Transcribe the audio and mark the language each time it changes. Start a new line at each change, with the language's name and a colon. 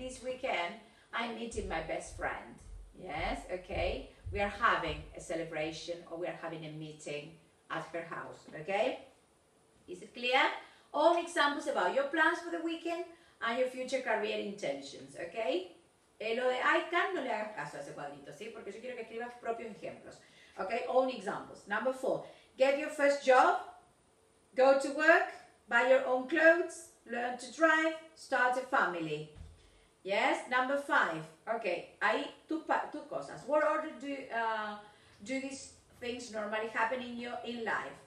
English: This weekend, I'm meeting my best friend. Yes, okay? We are having a celebration or we are having a meeting at her house, okay? Is it clear? All examples about your plans for the weekend and your future career intentions, okay?
Spanish: Lo de
English: I can,
Spanish: no le hagas caso a ese cuadrito, ¿sí? Porque yo quiero que escribas propios ejemplos.
English: Okay, own examples. Number four, get your first job, go to work, buy your own clothes, learn to drive, start a family. Yes, number five, okay,
Spanish: hay
English: two
Spanish: cosas.
English: What order do these things normally happen in your in life?